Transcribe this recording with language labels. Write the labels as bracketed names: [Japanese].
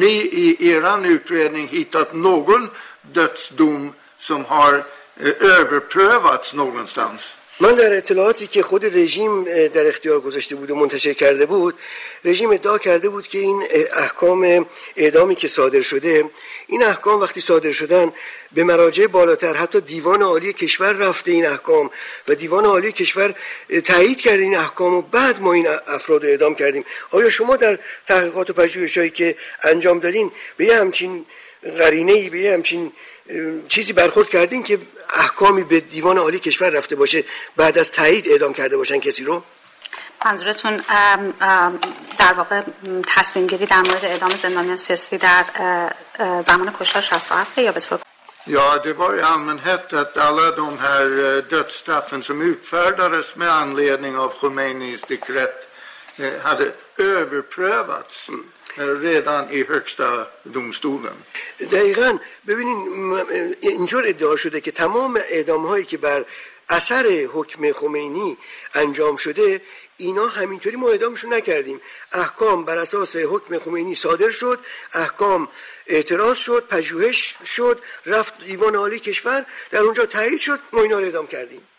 [Swedish] Har ni i eran utredning hittat någon dödsdom som har överprövats någonstans? [Persian] من در اطلاعاتی که خود رژیم در اختیار گذاشته بود و منتشر کرده بود، رژیم ادعا کرده بود که این احکام اعدامی که صادر شده، این احکام وقتی صادر شدن به مراجع بالاتر، حتی دیوان عالی کشور رفته این احکام و دیوان عالی کشور تایید کرده این احکام و بعد ما این افراد رو اعدام کردیم. آیا شما در تحقیقات و پژوهش‌هایی که انجام دادین به یه همچین قرینه‌ای، به یه همچین چیزی برخورد کردین که احکامی به دیوان عالی کشور رفته باشه بعد از تایید اعدام کرده باشن کسی رو؟ منظورتون در واقع تصمیم گیری در مورد اعدام زندانیان سیاسی در زمان کشتار 67 یا به طور [Swedish] یا det var ju allmänhet att alla de här dödsstraffen som utfärdades med anledning av Khomeinis dekret hade överprövats. redan i högsta domstolen. [Persian] دقیقاً ببینین اینجور ادعا شده که تمام اعدام‌هایی که بر اثر حکم خمینی انجام شده اینا همینطوری ما اعدامشون نکردیم. احکام بر اساس حکم خمینی صادر شد، احکام اعتراض شد، پژوهش شد، رفت دیوان عالی کشور، در اونجا تایید شد، ما اینا رو اعدام کردیم.